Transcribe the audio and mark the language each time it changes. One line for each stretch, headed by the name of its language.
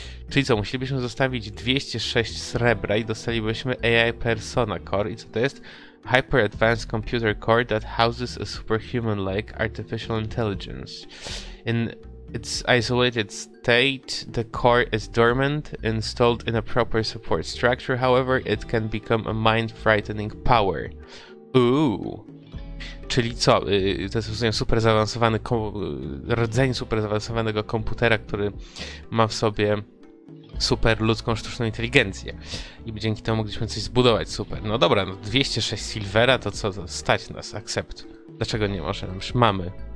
Polish: Czyli co, musielibyśmy zostawić 206 srebra i dostalibyśmy AI Persona Core. I co to jest?
English: Hyper Advanced Computer Core that houses a superhuman-like artificial intelligence. In its isolated state, the core is dormant, installed in a proper support structure, however, it can become a mind-frightening power.
Polish: Ooh. Czyli co? To jest rozumiem super zaawansowany rdzeń super zaawansowanego komputera, który ma w sobie super ludzką sztuczną inteligencję. I dzięki temu mogliśmy coś zbudować super. No dobra, no 206 silvera, to co? To stać nas, accept. Dlaczego nie możemy? Już mamy.